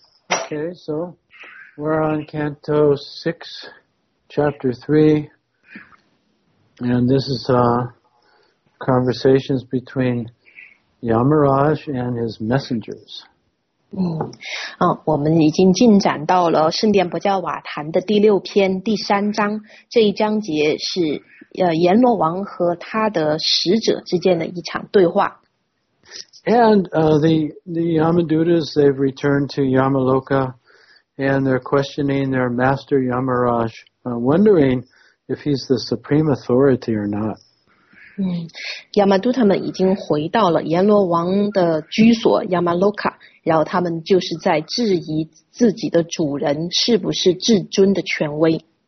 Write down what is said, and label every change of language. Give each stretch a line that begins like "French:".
English: Okay, so we're on Canto 6, Chapter 3, and this is conversations between Yamaraj and his messengers.
Chinese: 我们已经进展到了圣殿博加瓦坛的第六篇第三章，这一章节是阎罗王和他的使者之间的一场对话。
English: And the Yamadutas, they've returned to Yamaloka, and they're questioning their master Yamaraj, wondering if he's the supreme authority or not.
Chinese: Yamaduta 们已经回到了阎罗王的居所 Yamaloka， 然后他们就是在质疑自己的主人是不是至尊的权威。